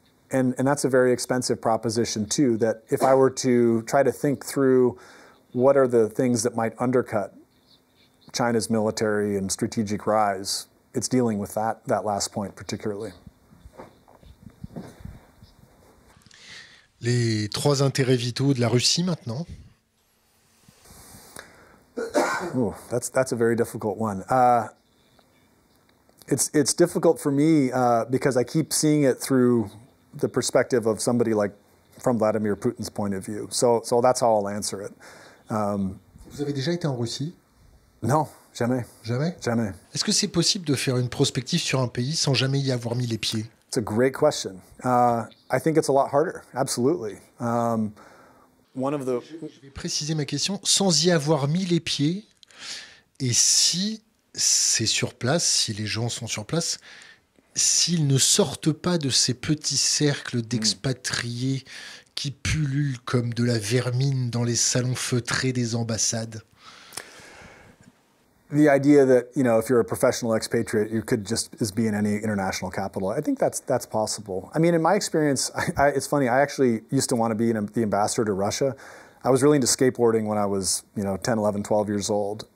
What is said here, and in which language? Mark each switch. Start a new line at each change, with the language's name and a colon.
English: And that's a very expensive proposition too, that if I were to try to think through what are the things that might undercut China's military and strategic rise, it's dealing with that last point particularly.
French: Les trois intérêts vitaux de la Russie maintenant.
English: Ooh, that's a very difficult one. It's difficult for me because I keep seeing it through the perspective of somebody like from Vladimir Putin's point of view. So that's how I'll answer it.
French: Vous avez déjà été en Russie? Non, jamais. Jamais? Jamais. Est-ce que c'est possible de faire une prospective sur un pays sans jamais y avoir mis les pieds?
English: It's a great question. I think it's a lot harder. Absolutely.
French: Je vais préciser ma question. Sans y avoir mis les pieds, et si c'est sur place, si les gens sont sur place, s'ils ne sortent pas de ces petits cercles d'expatriés qui pullulent comme de la vermine dans les salons feutrés des ambassades.
English: The idea that, you know, if you're a professional expatriate, you could just as be in any international capital. I think that's possible. I mean, in my experience, it's funny. I actually used to want to be the ambassador to Russia. I was really into skateboarding when I was, you know, 10, 11, 12 years old.